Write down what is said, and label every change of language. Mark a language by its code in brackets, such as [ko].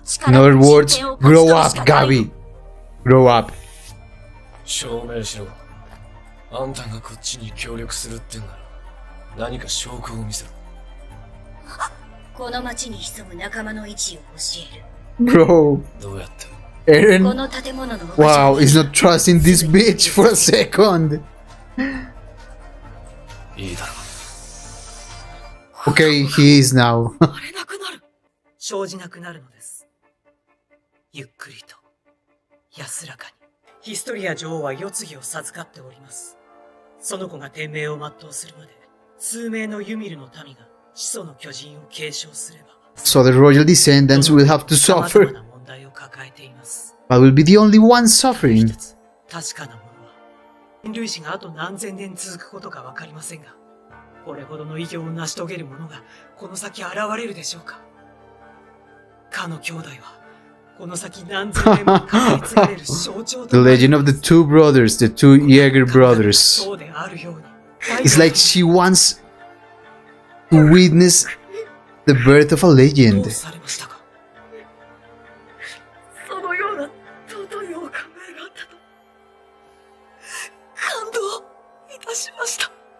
[en] In other words, grow up, Gabi. Grow up. [ja] 証明しろ。あんたがこっちに協力するってんなら、何か証拠を見せろ。この町に潜む仲間の位置を教える。 [en] Bro. [ja] どうやって [en] ? Eren. [ja] この建物の。 [en] Wow, he's not trusting this bitch for a second. [ja] いいだろ。 [en] Okay, he is now. [ja] 生じなくなるのです。ゆっくりと安らかに。ヒストリア女王は世継ぎを授かっております。その子が天命を全うするまで、数名のユミルの民が始祖の巨人を継承すれば、 [en] So the royal descendants will have to suffer. [ja] 様々な問題を抱えています。 [en] I will be the only one suffering. 一つ [ja] 確かなものは、人類史があと何千年続くことか分かりませんが、これほどの偉業を成し遂げる者がこの先現れるでしょうか。かの兄弟はこの先何千年も語り継がれる象徴 [en] と。The legend of the two brothers, the two Jaeger brothers. It's like she wants to witness the birth of a legend. [ja] どうされましたか。そのような尊いお考えがあったと感動いたしました。